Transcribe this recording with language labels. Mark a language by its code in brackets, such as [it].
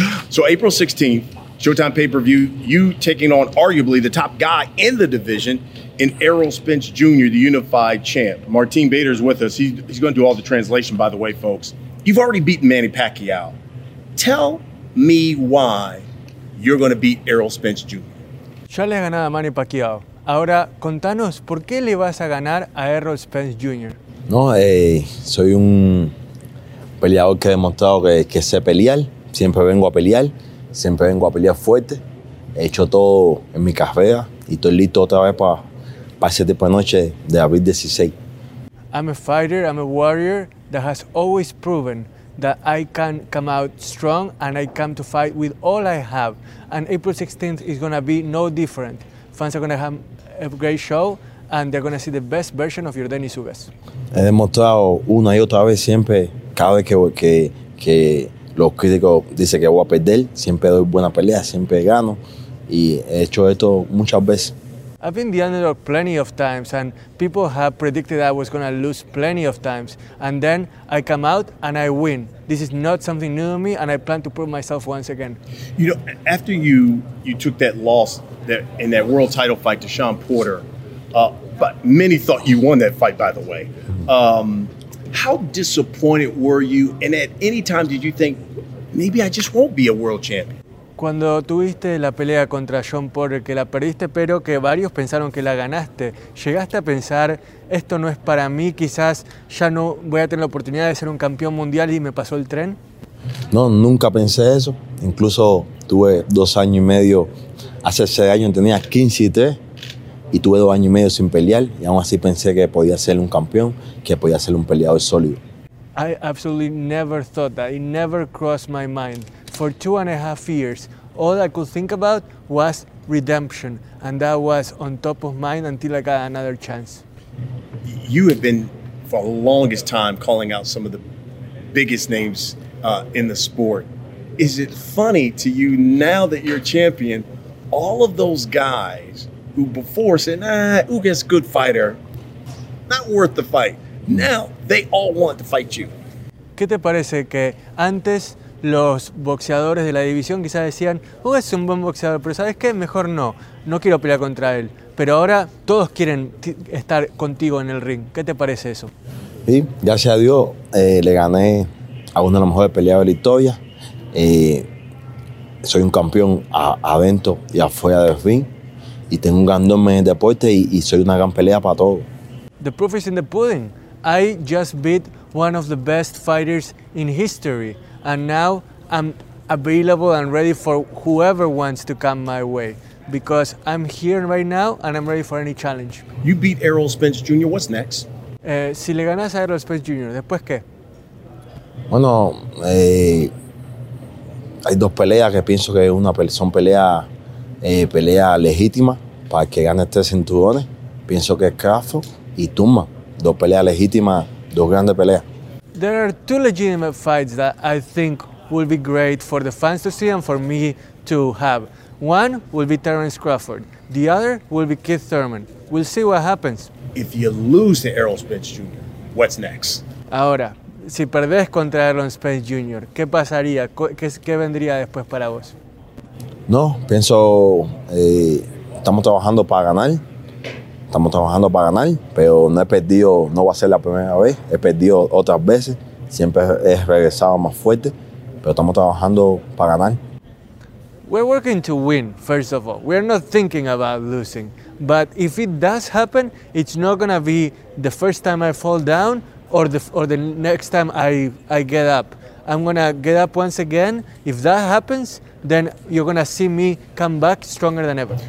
[en] So April 16th, Showtime pay-per-view, you taking on arguably the top guy in the division in Errol Spence Jr., the unified champ. Martin Bader is with us. He's going to do all the translation, by the way, folks. You've already beaten Manny Pacquiao. Tell me why you're going to beat Errol Spence Jr. [es] Ya le he ganado a Manny Pacquiao. Ahora, contanos, ¿por qué le vas a ganar a Errol Spence Jr.? No, soy un peleador que ha demostrado que sé pelear. Siempre vengo a pelear. Siempre vengo a pelear fuerte. He hecho todo en mi carrera y estoy listo otra vez para ese tipo de noche de abril 16. [en] I'm a fighter, I'm a warrior that has always proven that I can come out strong and I come to fight with all I have. And April 16th is going to be no different. Fans are going to have a great show and they're going to see the best version of Yordenis Ugás. [es] He demostrado una y otra vez siempre, cada vez que los críticos dicen que voy a perder, siempre doy buena pelea, siempre gano. Y he hecho esto muchas veces. [en] I've been the underdog plenty of times and people have predicted I was going to lose plenty of times. And then I come out and I win. This is not something new to me and I plan to prove myself once again. You know, after you took that loss that in that world title fight to Sean Porter, but many thought you won that fight, by the way. How disappointed were you? And at any time did you think, maybe I just won't be a world champion? [es] Cuando tuviste la pelea contra Sean Porter, que la perdiste, pero que varios pensaron que la ganaste, ¿llegaste a pensar, esto no es para mí, quizás ya no voy a tener la oportunidad de ser un campeón mundial y me pasó el tren? No, nunca pensé eso. Incluso tuve 2 años y medio, hace 6 años tenía 15-3 y tuve 2 años y medio sin pelear y aún así pensé que podía ser un campeón, que podía ser un peleador sólido. [en] I absolutely never thought that. It never crossed my mind. For 2.5 years, all I could think about was redemption. And that was on top of mind until I got another chance. You have been, for the longest time, calling out some of the biggest names in the sport. Is it funny to you, now that you're champion, all of those guys who before said, nah, Ugás, good fighter, not worth the fight. Now, they all want to fight you. [es] ¿Qué te parece que antes los boxeadores de la división quizás decían, Ugás es un buen boxeador, pero ¿sabes qué? Mejor no. No quiero pelear contra él. Pero ahora todos quieren estar contigo en el ring. ¿Qué te parece eso? Sí, gracias a Dios le gané a uno de los mejores peleadores de la historia. Soy un campeón adentro y afuera del ring. Y tengo un ganador en el deporte y soy una gran pelea para todos. [en] The proof is in the pudding. I just beat one of the best fighters in history. And now I'm available and ready for whoever wants to come my way. Because I'm here right now and I'm ready for any challenge. You beat Errol Spence Jr., what's next? [es] Si le ganas a Errol Spence Jr., ¿después qué? Bueno, hay dos peleas que pienso que una son pelea legítima para que gane 3 cinturones. Pienso que es Crawford y Thurman. Dos peleas legítimas, dos grandes peleas. [en] There are 2 legitimate fights that I think will be great for the fans to see and for me to have. One will be Terence Crawford. The other will be Keith Thurman. We'll see what happens. If you lose to Errol Spence Jr., what's next? [es] Ahora, si perdés contra Errol Spence Jr., ¿qué pasaría? ¿Qué vendría después para vos? No, pienso, estamos trabajando para ganar. Estamos trabajando para ganar, pero no he perdido, no va a ser la primera vez. He perdido otras veces. Siempre he regresado más fuerte, pero estamos trabajando para ganar. [en] We're working to win, first of all. We're not thinking about losing. But if it does happen, it's not going to be the first time I fall down or the next time I get up. I'm going to get up once again. If that happens, then you're going to see me come back stronger than ever.